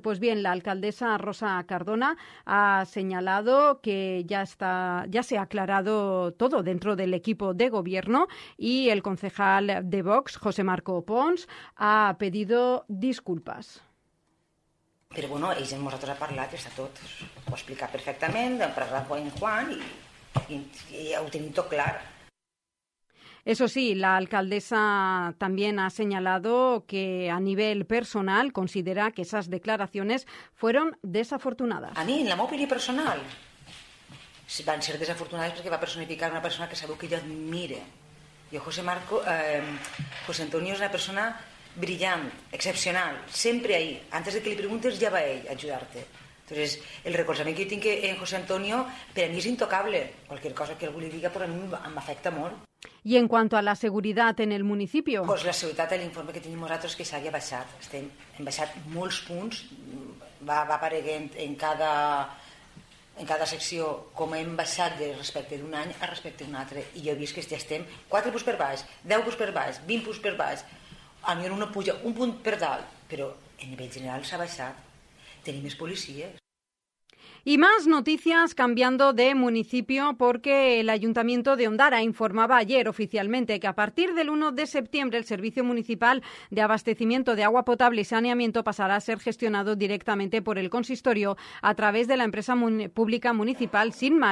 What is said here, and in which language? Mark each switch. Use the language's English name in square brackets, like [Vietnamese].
[Spanish] Pues bien, la alcaldesa Rosa Cardona ha señalado que ya se ha aclarado todo dentro del equipo de gobierno y el concejal de Vox, José Marco Pons, ha pedido disculpas. [Catalan] Però bueno, ells amb nosaltres ha parlat, està tot. Ho ha explicat perfectament, d'en parlar amb Juan i ho tenim tot clar. [Spanish] Eso sí, la alcaldesa también ha señalado que a nivel personal considera que esas declaraciones fueron desafortunadas. [Catalan] A mi, en la meva opinió personal, van ser desafortunades perquè va personificar una persona que sabeu que jo admire. Jo, José Marco, José Antonio és una persona... brillant, excepcional, sempre ahí. [Spanish] Antes de que [Catalan] li preguntes, ja va ell a ajudar-te. Entonces, el recolzament que jo tinc en José Antonio, per a mi és intocable. Qualquer cosa que algú li diga, per a mi m'afecta molt. [Spanish] I en cuanto a la seguretat en el municipio? [Catalan] Pues la seguretat, l'informe que tenim nosaltres és que s'havia baixat. Hem baixat molts punts. Va apareguent en cada secció com hem baixat de respecte d'un any a respecte d'un altre. I jo he vist que ja estem 4 punts per baix, 10 punts per baix, 20 punts per baix... A mi no puja un punt per dalt, però en nivell general s'ha baixat. Tenim més policies. [Spanish] Y más noticias cambiando de municipio, porque el Ayuntamiento de Ondara informaba ayer oficialmente que a partir del 1 de septiembre el Servicio Municipal de Abastecimiento de Agua Potable y Saneamiento pasará a ser gestionado directamente por el consistorio a través de la empresa pública municipal Sinma.